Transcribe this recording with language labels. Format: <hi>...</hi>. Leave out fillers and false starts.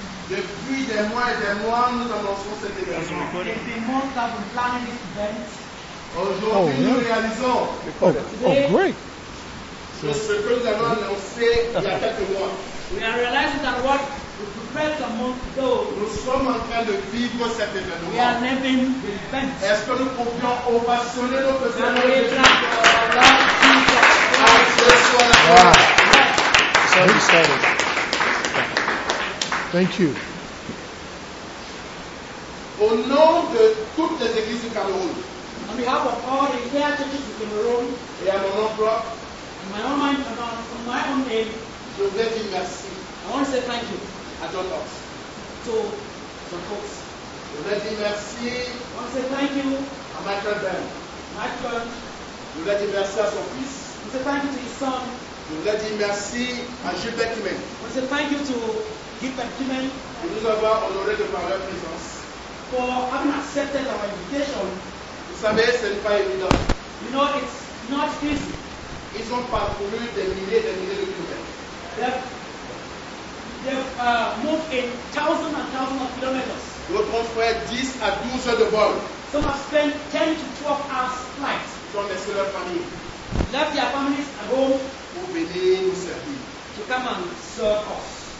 <fr>Depuis des mois et des mois, nous annonçons cet événement.</fr> <en>It's been months that we're planning this event.</en> <fr>Aujourd'hui, nous réalisons.</fr> <en>Great.</en> <fr>Ce que nous avons annoncé il y a quelques mois.</fr> <en>We are realizing that what we prepared a month ago.</en> <fr>Nous sommes en train de vivre cet événement.</fr> <en>We are living the event.</en> <fr>Est-ce que nous pouvions ovationner notre Seigneur Jésus à ce soir?</fr> <en>Thank you.</en> <fr>Au nom de toutes les églises du Cameroun.</fr> <en>On behalf of all the entire churches in Cameroon.</en> <fr>Et à mon nom propre.</fr> <en>In my own mind, from my own name.</en> <fr>Je veux dire merci.</fr> <en>I want to say thank you.</en> <fr>À John Cox.</fr> <en>To John Cox.</en> <fr>Je veux dire merci.</fr> <en>I want to say thank you.</en> <fr>À Michael Ben.</fr> <en>Michael.</en> <fr>Je veux dire merci à son fils.</fr> <en>I want to say thank you to his son.</en> <fr>Je voudrais dire merci à Gilbert Kimen.</fr> <en>We say thank you to Gilbert Kimen.</en> <fr>Pour nous avoir honoré de par leur présence.</fr> <en>For having accepted our invitation.</en> <fr>Vous savez, ce n'est pas évident.</fr> <en>You know, it's not easy.</en> <fr>Ils ont parcouru des milliers et des milliers de kilomètres.</fr> <en>They've moved in thousands and thousands of kilometers.</en> <fr>D'autres ont fait 10 à 12 heures de vol.</fr> <en>Some have spent 10 to 12 hours flight.</en> <fr>Sans laisser leur famille.</fr> <en>Left their families at home.</en> <fr>Pour venir nous servir.</fr> <en>To come and serve us.</en>